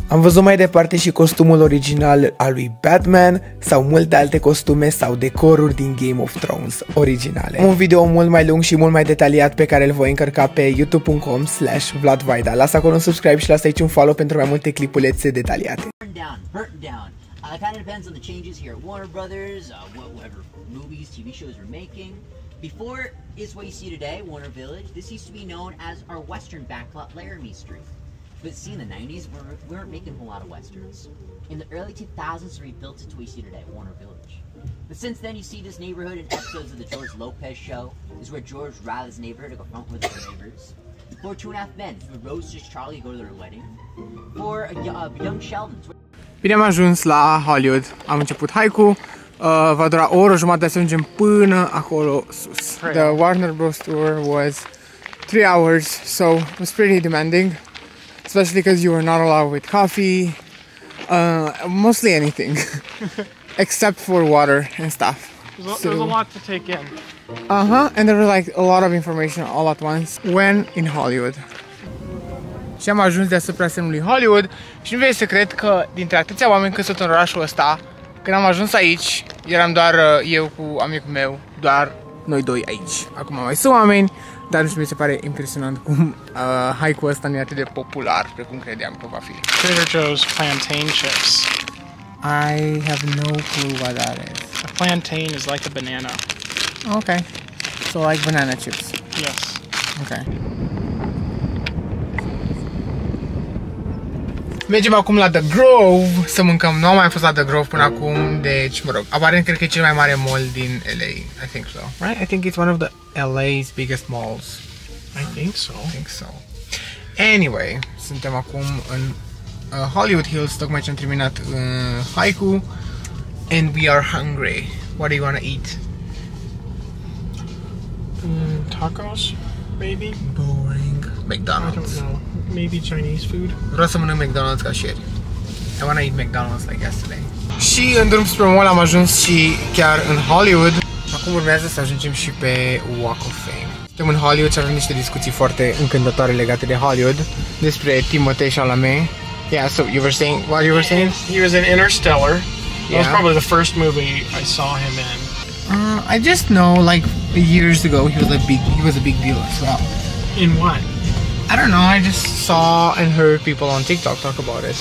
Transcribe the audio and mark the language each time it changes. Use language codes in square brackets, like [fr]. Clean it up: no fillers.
[ro] Am văzut mai departe și costumul original al lui Batman sau multe alte costume sau decoruri din Game of Thrones originale. Un video mult mai lung și mult mai detaliat pe care îl voi încărca pe youtube.com/vladvaida. Lasă acolo un subscribe și lasă aici un follow pentru mai multe clipulețe detaliate. [en] It kind of depends on the changes here at Warner Brothers, whatever movies, TV shows we're making. Before is what you see today, Warner Village. This used to be known as our Western backlot, Laramie Street. But see, in the 90s, we weren't making a whole lot of Westerns. In the early 2000s, we built it to what you see today, Warner Village. But since then, you see this neighborhood in episodes of the George Lopez Show. This is where George Riley's neighbor to go front with their neighbors. For Two and a Half Men, who rose to Charlie go to their wedding. For young Sheldon. [ro] Bine, am ajuns la Hollywood. Am început hike-ul. Va dura o oră jumătate să ajungem până acolo sus. [en] The Warner Bros. Tour was 3 hours, so it was pretty demanding. Especially because you were not allowed with coffee. Mostly anything. Except for water and stuff. There's a lot to take in. Uh-huh, and there was like a lot of information all at once. When in Hollywood. [ro] Și am ajuns deasupra semnului Hollywood și nu vei să cred că dintre atâția oameni cât sunt în orașul ăsta, când am ajuns aici, eram doar eu cu amicul meu, doar noi doi aici. Acum mai sunt oameni, dar nu știu, mi se pare impresionant cum hike-ul ăsta nu e atât de popular precum credeam că va fi. [en] Trader Joe's plantain chips. I have no clue what that is. A plantain is like a banana. Okay. So like banana chips. Yes. Ok. [ro] Mergem acum la The Grove să mâncăm. Nu am mai fost la The Grove până acum, deci, mă rog, aparent cred că e cel mai mare mall din LA. [en] I think so. Right? I think it's one of the LA's biggest malls. I think so. I think so. Anyway, [ro] suntem acum în Hollywood Hills, tocmai ce am terminat haiku. [en] And we are hungry. What do you want to eat? Tacos, maybe? Boring. McDonald's. I don't know. Maybe Chinese food. [ro] Vreau să mănânc McDonald's ca și ieri. [en] I want to eat McDonald's like yesterday. Și în drum spre mall am ajuns și chiar în Hollywood. Acum urmează să ajungem și pe Walk of Fame. Suntem în Hollywood și avem niște discuții foarte încântătoare legate de Hollywood. Despre Timothée Chalamet. Yeah, so you were saying, what you were saying? He was in Interstellar. Yeah. That was probably the first movie I saw him in. I just know, like, years ago he was a big deal as well. In what? I don't know, I just saw and heard people on TikTok talk about it.